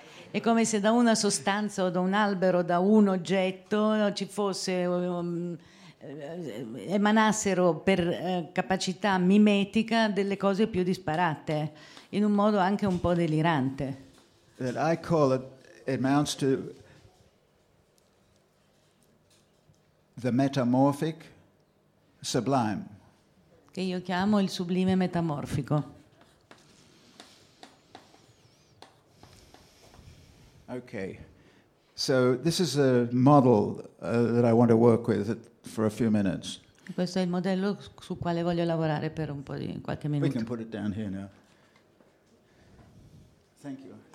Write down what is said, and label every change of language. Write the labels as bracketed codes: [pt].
[it] È come se da una sostanza o da un albero, da un oggetto, ci fosse emanassero per capacità mimetica delle cose più disparate, in un modo anche un po' delirante. [en] That I call it amounts to the metamorphic sublime. [it] Che io chiamo il sublime metamorfico. [en] Okay. So this is a model that I want to work with for a few minutes. [it] Questo è il modello su quale voglio lavorare per un po' di qualche minuto. [en] We can put it down here now. Thank you.